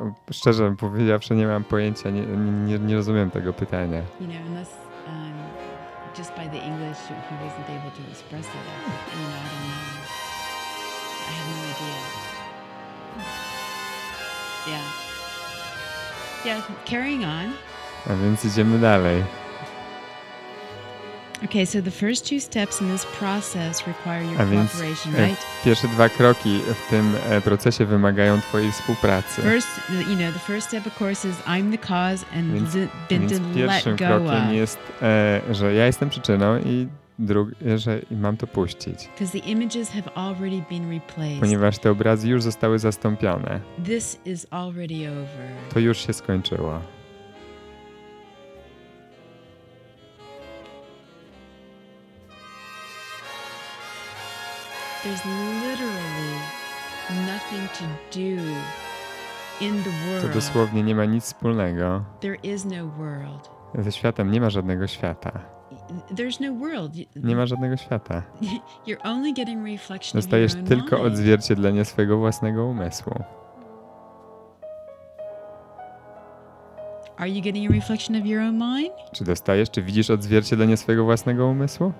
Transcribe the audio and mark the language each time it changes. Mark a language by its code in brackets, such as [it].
[pl] Szczerze powiedziawszy, nie mam pojęcia, nie rozumiem tego pytania. [en] You know, unless just by the English, he wasn't able to express it. You know, I don't know. I have no idea. Yeah. Yeah, carrying on. [pl] A więc idziemy dalej. [en] Okay, so the first two steps in this process require your cooperation, right? [pl] Pierwsze dwa kroki w tym procesie wymagają twojej współpracy. [en] First, you know, the first step of course is I'm the cause and been to let go. [pl] Pierwszym krokiem jest, że ja jestem przyczyną i drugie, że mam to puścić. [en] Because the images have already been replaced. [pl] Ponieważ te obrazy już zostały zastąpione. [en] This is already over. [pl] To już się skończyło. [en] There's literally nothing to do in the world. [pl] To dosłownie nie ma nic wspólnego. [en] There is no world. [pl] Ze światem nie ma żadnego świata. [en] There's no world. [pl] Nie ma żadnego świata. [en] You're only getting reflection. [pl] Dostajesz [en] of your [pl] tylko [en] mind. [pl] Odzwierciedlenie swojego własnego umysłu. [en] Are you getting a reflection of your own mind? [pl] Czy dostajesz, czy widzisz odzwierciedlenie swojego własnego umysłu?